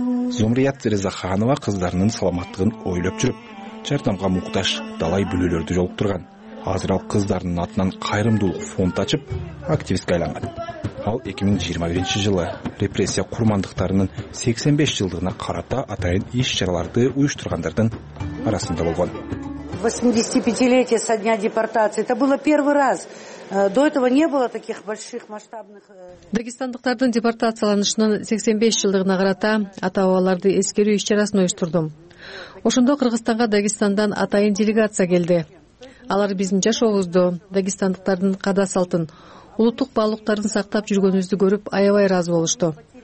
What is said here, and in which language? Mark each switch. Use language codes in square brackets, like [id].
[ky] Зумрият Резаханова кыздарынын саламаттыгын ойлоп жүрүп, жардамга муктаж далай бүлөлөрдү жолуктурган. Азыр ал кыздарынын атынан кайрымдуулук фонд ачып, активистке айланган. Ал 2021 жылы репрессия курмандыктарынын 85 жылдыгына карата атайын иш-чараларды уюштургандардын арасында болгон. [ru] 85-летие со дня депортации. Это было первый раз. До этого не было таких больших масштабных. [ky] Дагестандыктардын депортацияланышынын 85 жылдыгына карата ата-бабаларды эскерүү иш-чарасын уюштурдум. Ошондо Кыргызстанга Дагестандан атайын делегация келди. Алар биздин жашообузду, дагестандыктардын када салтын, улуттук баалуктарын сактап жүргөнүбүздү көрүп аябай ыраазы болушту.